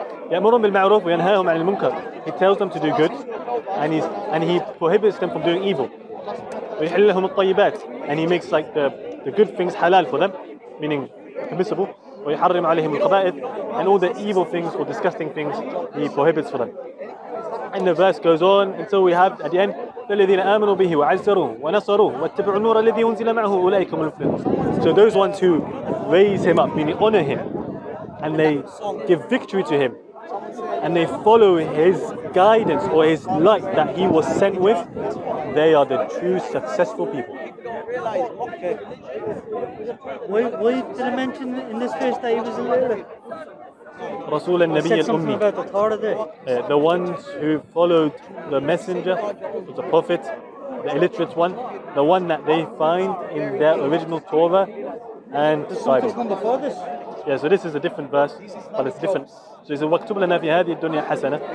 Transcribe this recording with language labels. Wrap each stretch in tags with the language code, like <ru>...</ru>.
<ar>يَأْمُرُهُمْ بِالْمَعْرُوفِ وَيَنْهَاهُمْ عَنِ الْمُنْكَرِ.</ar> <en>He tells them to do good, and he prohibits them from doing evil.</en> <ar>وَيَحِلُّ لَهُمُ الطَّيِّبَاتِ.</ar> <en>And he makes like the good things halal for them, meaning permissible.</en> <ar>وَيَحَرِّمْ عَلَيْهِمُ الْخَبَائِثِ.</ar> <en>And all the evil things or disgusting things he prohibits for them. And the verse goes on until we have at the end,</en> <ar>الذين آمنوا به وعزروا ونصروا واتبعوا النور الذي أنزل معه أولئك هم المفلحون.</ar> <en>So those ones who raise him up, meaning honor him, and they give victory to him, and they follow his guidance or his light that he was sent with, they are the true successful people. Why did I mention in this verse that he was illiterate? Rasul al-Nabi al-Ummi. The ones who followed the messenger, the prophet, the illiterate one, the one that they find in their original Torah and Bible. Yeah, so this is a different verse, but it's different. So he said,</en> <ar>وَاكْتُبْ لَنَا فِي هَذِي الدُّنْيَا حَسَنَةً.</ar>